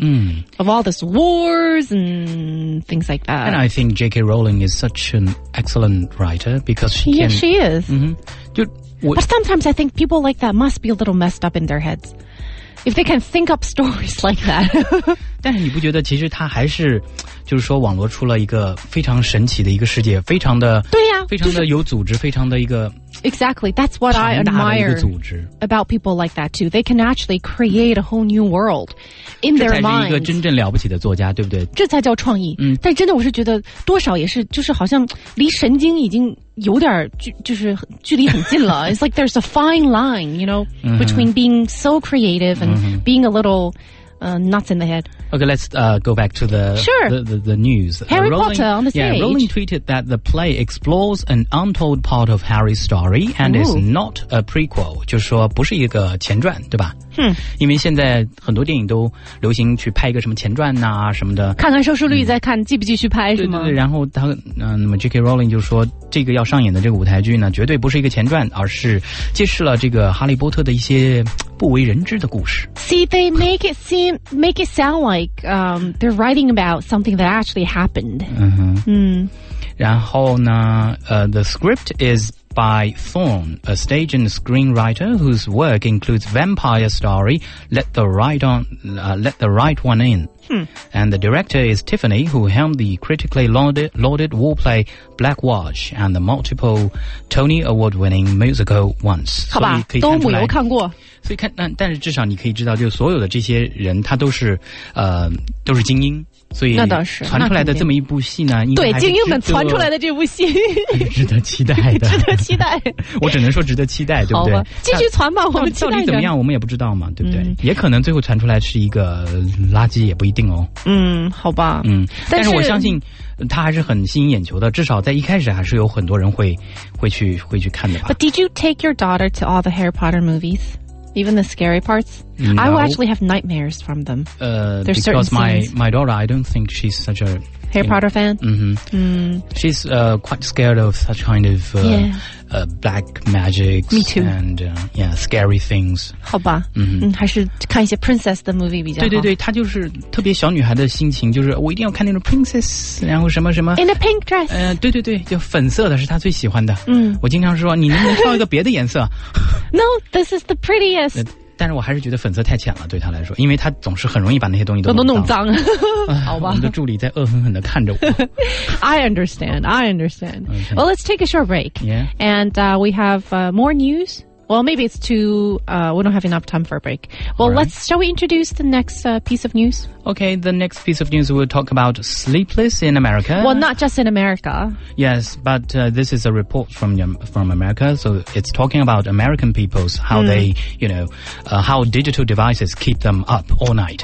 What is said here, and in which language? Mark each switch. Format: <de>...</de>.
<en>mm. of all this wars and things like that. And I think J.K. Rowling is such an excellent writer because she can... Yeah, she is.、 Mm-hmm. But sometimes I think people like that must be a little messed up in their heads. If they can think up stories like that.</en> <zh>但是你不觉得其实他还是就是说网络出了一个非常神奇的一个世界非常的对呀、啊、非常的有组织、就是、非常的一个</zh> <en>Exactly, that's what I admire about people like that too. They can actually create a whole new world in their minds.</en> <zh>这才是一个真正了不起的作家对不对这才叫创意、嗯、但真的我是觉得多少也是就是好像离神经已经有点就是距离很近了</zh> <en>It's like there's a fine line, you know, between being so creative and being a little... nuts in the head. Okay, let's go back to the,、 sure. the news. Harry Rowling, Potter on the stage. Yeah, Rowling tweeted that the play explores an untold part of Harry's story and、Ooh. Is not a prequel.</en> <zh>就是说不是一个前传对吧、 hmm. 因为现在很多电影都流行去拍一个什么前传啊什么的。看看收视率、嗯、再看继不继续拍是吗对对对然后他、那么 J.K. Rowling 就说这个要上演的这个舞台剧呢绝对不是一个前传而是揭示了这个哈利波特的一些不为人知的故事</zh> <en>See, they make it sound like they're writing about something that actually happened.</en> <zh>嗯哼，嗯。然后呢，</zh> <en>the script is by Thorne, a stage and screenwriter whose work includes Vampire Story, Let the Right One In. Hmm. And the director is Tiffany, who helmed the critically lauded war play Black Watch and the multiple Tony Award-winning musical Once.</en> <zh>好吧，都没有看过。所以看，但是至少你可以知道，就所有的这些人，他都是都是精英。所以那倒是传出来的这么一部戏呢，对精英们传出来的这部戏，值得期待的，值得期待。我只能说值得期待，对不对？继续传吧，我们期待着。到底怎么样，我们也不知道嘛，对不对？也可能最后传出来是一个垃圾，也不。不一定哦嗯好吧嗯但是我相信他还是很吸引眼球的至少在一开始还是有很多人会去看的吧</zh> <en>But did you take your daughter to all the Harry Potter movies? Even the scary parts? No, I will actually have nightmares from them There's certain scenes Because my daughter I don't think she's such a Harry Potter fan? Mm-hmm. She's quite scared of such kind of black magics Me too. And scary things.</en> <zh>好吧、 mm-hmm. 还是看一些 princess 的 movie 比较好。对对对她就是特别小女孩的心情就是我一定要看那种 princess, 然后什么什么。</zh> <en>In a pink dress.、</en> <zh>对对对就粉色的是她最喜欢的。嗯、我经常说你能不能挑一个别的颜色</zh> <en>No, this is the prettiest.</en> <zh>但是我还是觉得粉色太浅了对他来说因为他总是很容易把那些东西都弄脏好吧我们的助理在恶狠狠地看着我</zh> <en>I understand、 okay. Well let's take a short break、 yeah. And we have more news Well maybe it's too we don't have enough time for a break Well、 Alright. let's shall we introduce the next piece of news Okay the next piece of news we'll talk about Sleepless in America Well not just in America Yes but this is a report from America So it's talking about American peoples How、mm. they you know How digital devices keep them up all night</en>